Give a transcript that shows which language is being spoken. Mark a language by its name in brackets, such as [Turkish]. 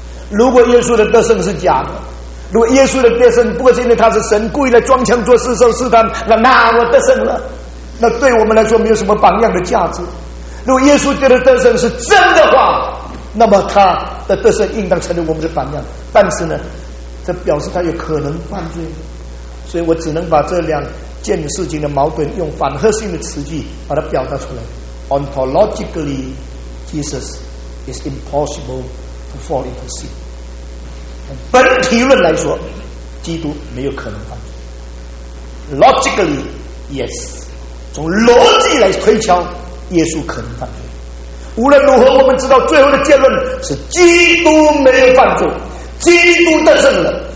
[Chinese] 如果耶稣的得胜是假的，如果耶稣的得胜不过是因为他是神故意来装腔作势受试探，那我得胜了，那对我们来说没有什么榜样的价值。如果耶稣的得胜是真的话，那么他的得胜应当成为我们的榜样。但是呢，这表示他有可能犯罪，所以我只能把这两件事情的矛盾用反合性的词句把它表达出来。 [English] Ontologically, Jesus is impossible to fall into sin. [Chinese] 本体论来说，基督没有可能犯罪。Logically, 也是。从逻辑来推敲，耶稣可能犯罪。无论如何，我们知道最后的结论是基督没有犯罪，基督得胜了。